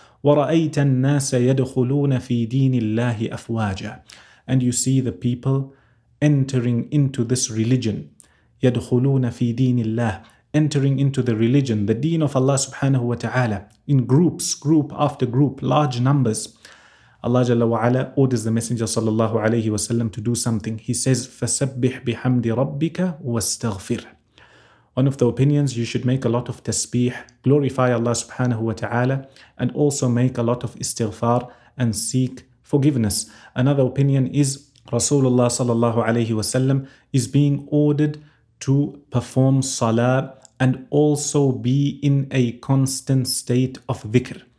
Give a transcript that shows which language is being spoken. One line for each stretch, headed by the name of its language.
Arabic: وَرَأَيْتَ النَّاسَ يَدْخُلُونَ فِي دِينِ اللَّهِ أَفْوَاجًا.
English: And you see the people entering into this religion.
Arabic: يَدْخُلُونَ فِي دِينِ اللَّهِ.
English: Entering into the religion, the deen of Allah subhanahu wa ta'ala, in groups, group after group, large numbers. Allah jalla wa ala orders the Messenger sallallahu alayhi wa sallam to do something. He says,
Arabic: فَسَبِّحْ بِحَمْدِ رَبِّكَ وَاسْتَغْفِرْ.
English: One of the opinions, you should make a lot of tasbih, glorify Allah subhanahu wa ta'ala, and also make a lot of istighfar and seek forgiveness. Another opinion is Rasulullah sallallahu alayhi wa sallam is being ordered to perform salah and also be in a constant state of dhikr.